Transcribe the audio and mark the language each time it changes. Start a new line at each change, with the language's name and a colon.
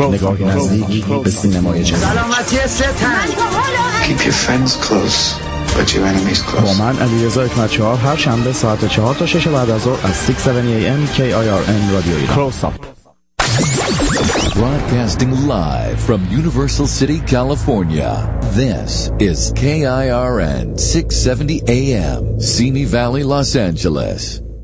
Persian: نگاهی نزدیک به سینمای جهان. سلامتی ستن.
English: Keep your friends close, but your enemies close.
Persian: با من علیرضا حکمت‌چهار هر شنبه ساعت 4 تا 6 بعد از ظهر از 670 AM KIRN رادیو ایران.
English: Close up. Broadcasting live from Universal City, California. This is KIRN 670 AM, Simi Valley, Los Angeles.